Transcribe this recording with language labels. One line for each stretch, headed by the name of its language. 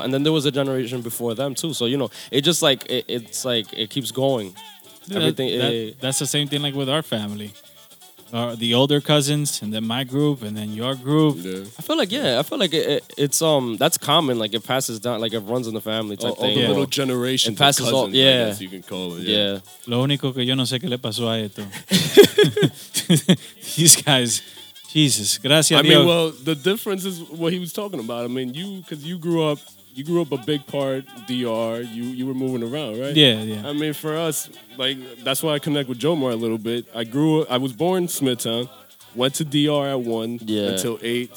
English: And then there was a generation before them too. So you know, it just like it keeps going. That's the same thing like with our family. The older cousins, and then my group, and then your group. Yeah. I feel like it's that's common. Like it passes down, like it runs in the family type thing. All the little generations, it passes of cousins, all, yeah. I guess you can call it. Yeah.
Spanish: Lo único que yo no sé qué le pasó a esto.
English: These guys, Jesus, gracias. I mean, well, the difference is what he was talking about. I mean, you grew up a big part DR. You were moving around, right? Yeah. I mean, for us, like, that's why I connect with Jomar a little bit. I was born in Smithtown, went to DR at 1 until 8.